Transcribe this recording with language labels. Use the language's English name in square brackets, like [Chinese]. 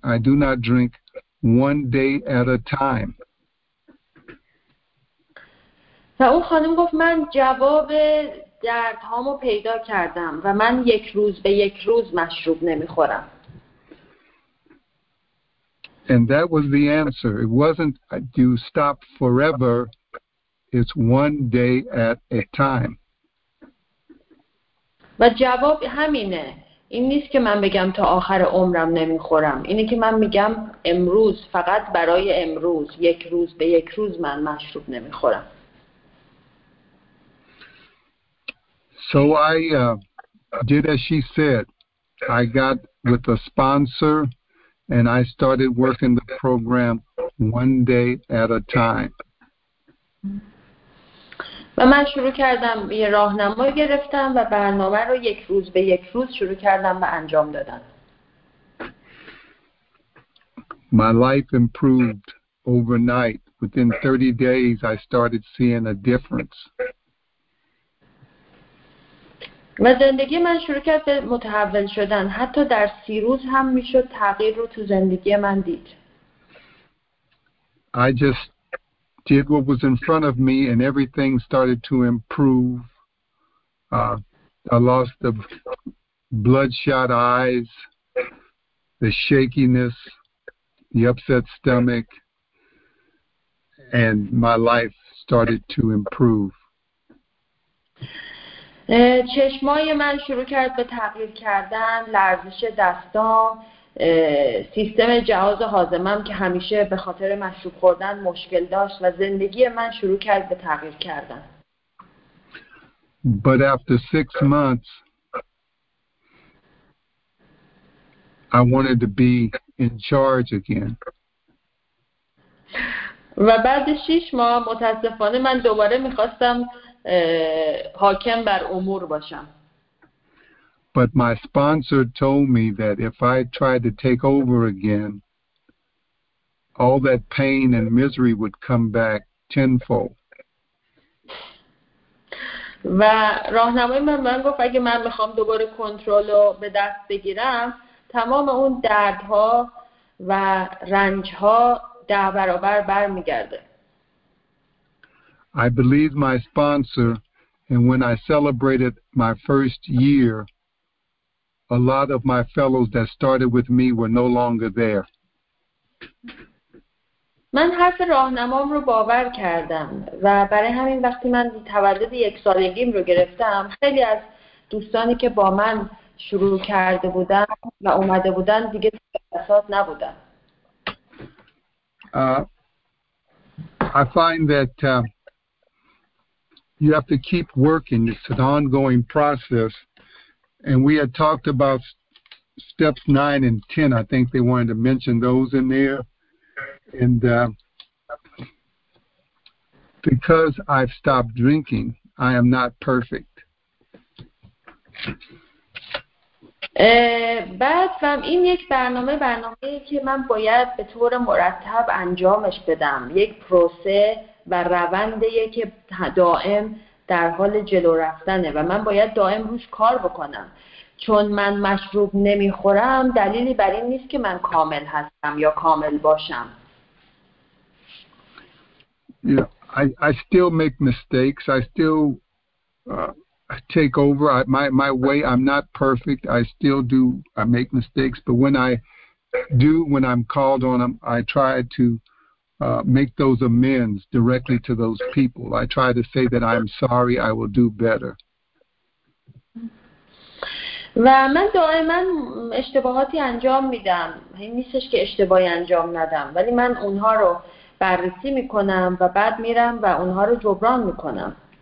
[English] I do not drink one day at a time. [Persian] و اون خانم گفت من جواب دردهامو پیدا کردم و من یک روز به یک روز مشروب نمیخورم. [English] And that was the answer. It wasn't you stop forever. It's one day at a time. [Persian] و جواب همینه. این نیست که من بگم تا آخر عمرم نمیخورم. اینه که من میگم امروز فقط برای امروز یک روز به یک روز من مشروب نمیخورم. [English] So I did as she said. I got with a sponsor and I started working the program one day at a time. [Persian] و من شروع کردم یه راهنمای گرفتم و برنامه رو یک روز به یک روز شروع کردم و انجام دادم. [English] My life improved overnight. Within 30 days I started seeing a difference. [Persian] و زندگی من شروع کرد به متحول شدن. حتی در 30 روز هم میشد تغییر رو تو زندگی من دید. [English] I just did what was in front of me and everything started to improve. I lost the bloodshot eyes, the shakiness, the upset stomach, and my life started to improve. [Persian] چشمای من شروع کرد به تغییر کردن، لرزش دستام، سیستم جهاز هاضمه‌ام که همیشه به خاطر مشروب خوردن مشکل داشت و زندگی من شروع کرد به تغییر کردن. [English] But after 6 months I wanted to be in charge again. [Persian] و بعد 6 ماه متاسفانه من دوباره می‌خواستم حاکم بر امور باشم. [English] But my sponsor told me that if I tried to take over again, all that pain and misery would come back tenfold. [Persian] و راهنمای من گفت اگه من بخوام دوباره کنترل رو به دست بگیرم، تمام اون دردها و رنجها ده برابر برمیگرده. [English] I believed my sponsor, and when I celebrated my first year, a lot of my fellows that started with me were no longer there. [Persian] من حرف راهنمام رو باور کردم و برای همین وقتی من تولد یک سالگیم رو گرفتم، خیلی از دوستانی که با من شروع کرده بودن و اومده بودن دیگه اساس نبودن. [English] I find that you have to keep working. It's an ongoing process. And we had talked about steps 9 and 10. I think they wanted to mention those in there. And because I've stopped drinking, I am not perfect. [Persian] بعد فهم این یک برنامه که من باید به طور مرتب انجامش بدم. یک پروسه و روندیه که دائم در حال جلو رفتنه و من باید دائم روش کار بکنم. چون من مشروب نمیخورم دلیلی بر این نیست که من کامل هستم یا کامل باشم. [English] Yeah, I still make mistakes. I still take over. My way, I'm not perfect. I make mistakes. But when I'm called on them, I try to make those amends directly to those people. I try to say that I'm sorry, I will do better. [Persian] و من دائما اشتباهاتی انجام میدم. این نیستش که اشتباهی انجام ندم. ولی من اونها رو بررسی میکنم و بعد میرم و اونها رو جبران میکنم.